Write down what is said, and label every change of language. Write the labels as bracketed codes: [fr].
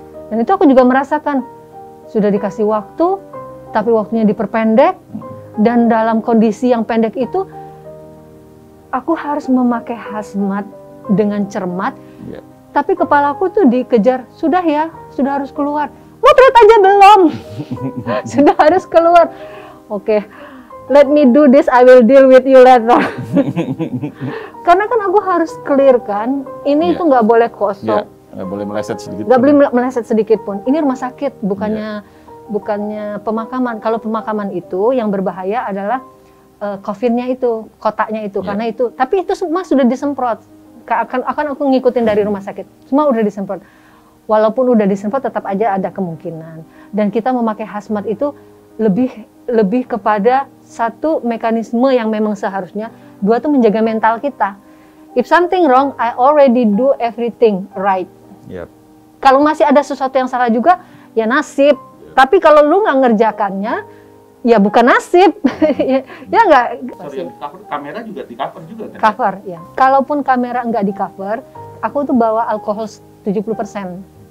[id] Dan itu aku juga merasakan, sudah dikasih waktu, tapi waktunya diperpendek, dan dalam kondisi yang pendek itu, aku harus memakai hazmat dengan cermat, tapi kepalaku tuh dikejar, sudah ya, sudah harus keluar. Motret aja belum, sudah harus keluar. [en] Oke, let me do this, I will deal with you later. [id] Karena kan aku harus clear kan, ini itu nggak boleh kosong. Nggak boleh meleset sedikit pun. Ini rumah sakit, bukannya pemakaman. Kalau pemakaman itu yang berbahaya adalah coffin-nya itu, kotaknya itu, karena itu. Tapi itu semua sudah disemprot. Akan aku ngikutin dari rumah sakit. Semua udah disemprot. Walaupun udah disemprot, tetap aja ada kemungkinan. Dan kita memakai hazmat itu lebih kepada satu mekanisme yang memang seharusnya, dua tuh menjaga mental kita. [en] If something wrong, I already do everything right. [id] Kalau masih ada sesuatu yang salah juga, ya nasib. Tapi kalau lu nggak ngerjakannya, ya bukan nasib. Ya nggak? Kamera juga di-cover juga kan? Cover, ya. Kalaupun kamera nggak di-cover, aku tuh bawa alkohol 70%.